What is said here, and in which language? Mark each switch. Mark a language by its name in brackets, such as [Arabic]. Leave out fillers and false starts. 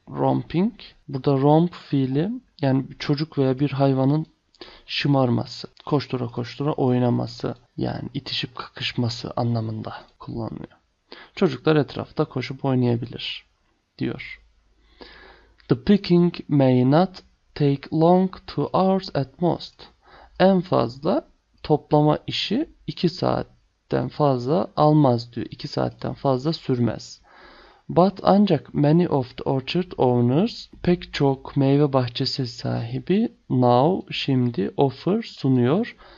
[Turkish] Romping, burada romp fiili yani çocuk veya bir hayvanın şımarması, koştura koştura oynaması yani itişip kakışması anlamında kullanılıyor. Çocuklar etrafta koşup oynayabilir diyor. [English] The picking may not take long 2 hours at most. [Turkish] En fazla toplama işi 2 saatten fazla almaz diyor. 2 saatten fazla sürmez. [English] But [Turkish] ancak [English] many of the orchard owners, [Turkish] pek çok meyve bahçesi sahibi [English] now, [Turkish] şimdi [English] offer [Turkish] sunuyor.